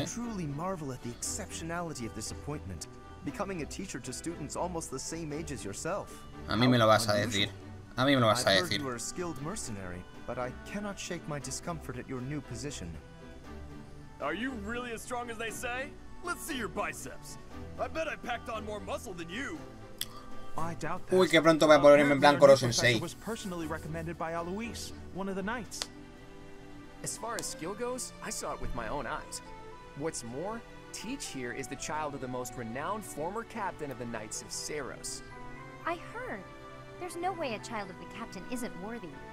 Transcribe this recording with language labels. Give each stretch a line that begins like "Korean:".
English: One must truly marvel at the exceptionality of this appointment, becoming a teacher to students almost the same age as yourself.
Spanish: A mí me lo vas a decir. A mí me lo vas a decir.
English: I've heard you are a skilled mercenary, but I cannot shake my discomfort at your new position. Are you really as strong as they say? Let's see your biceps. I bet I packed on more muscle than you.
Spanish: Uy, qué pronto voy a ponerme en plan Koro Sensei.
English: Was personally recommended by Alois, one of the knights. As far as skill goes, I saw it with my own eyes. What's more, Teach here is the child of the most renowned former captain of the Knights of Seiros. I heard. There's no way a child of the captain isn't worthy.